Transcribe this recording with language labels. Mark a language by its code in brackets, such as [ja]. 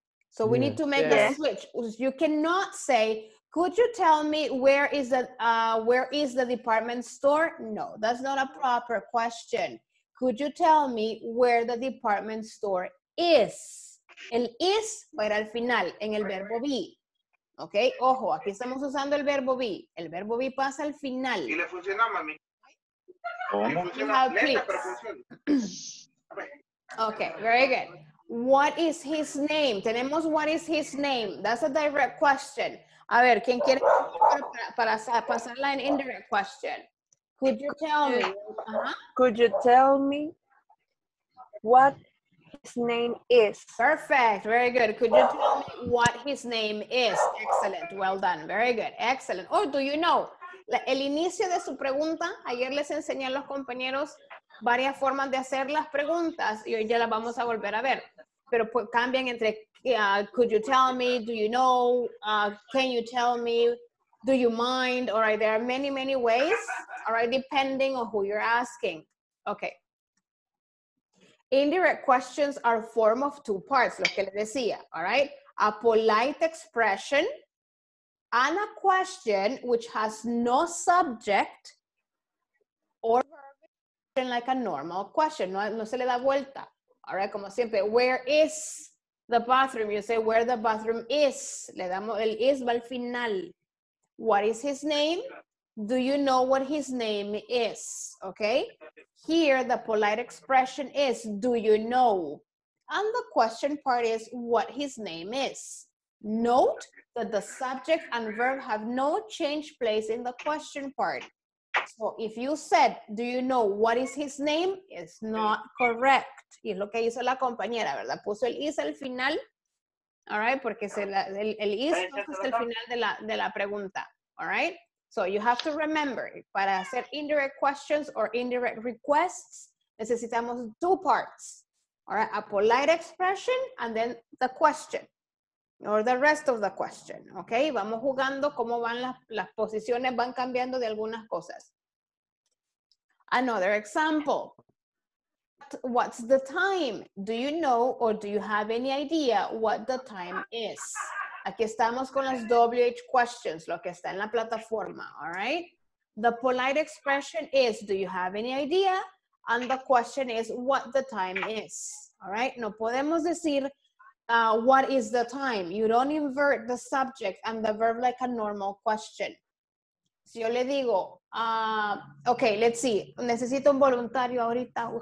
[en] So we need to make a switch. You cannot say, could you tell me where is the department store? No, that's not a proper question. Could you tell me where the department store is? [es] El is va a ir al final, en el verbo be. Ok, ojo, aquí estamos usando el verbo be. El verbo be pasa al final. ¿Y le funciona, mami? ¿Cómo? [en] You have clicks. Ok, very good. What is his name? [es] Tenemos [en] what is his name. That's a direct question. [es] A ver, ¿quién quiere para pasarla en indirect question? [en] Could you tell me? Could you tell me what his name is? Perfect, very good. Could you tell me what his name is? Excellent, well done, very good, excellent. Or do you know? [es] El inicio de su pregunta, ayer les enseñé a los compañeros varias formas de hacer las preguntas y hoy ya las vamos a volver a ver. Pero cambian entre, [en] could you tell me, do you know, can you tell me, do you mind, all right, there are many, many ways, all right, depending on who you're asking. Okay. Indirect questions are form of two parts, [es] lo que le decía, [en] all right? A polite expression and a question which has no subject or verb like a normal question, [es] no se le da vuelta. [en] All right, [es] como siempre, [en] where is the bathroom? You say where the bathroom is. [es] Le damos el is al final. [en] What is his name? Do you know what his name is? Okay. Here, the polite expression is, do you know? And the question part is, what his name is? Note that the subject and verb have no change place in the question part. So if you said, do you know what is his name? It's not correct. [es] Y es lo que hizo la compañera, ¿verdad? Puso el is al final. [en] All right, [es] porque el is es el final de la pregunta. [en] All right, so you have to remember, [es] para hacer [en] indirect questions or indirect requests, [es] necesitamos [en] two parts. All right, a polite expression and then the question. Or the rest of the question, okay? [es] Vamos jugando cómo van las posiciones, van cambiando de algunas cosas. [en] Another example. What's the time? Do you know or do you have any idea what the time is? [es] Aquí estamos con las WH questions, lo que está en la plataforma, [en] all right? The polite expression is, do you have any idea? And the question is, what the time is? All right? [es] No podemos decir, [en] what is the time? You don't invert the subject and the verb like a normal question. [es] Si yo le digo, [en] okay, let's see. [es] Necesito un voluntario ahorita.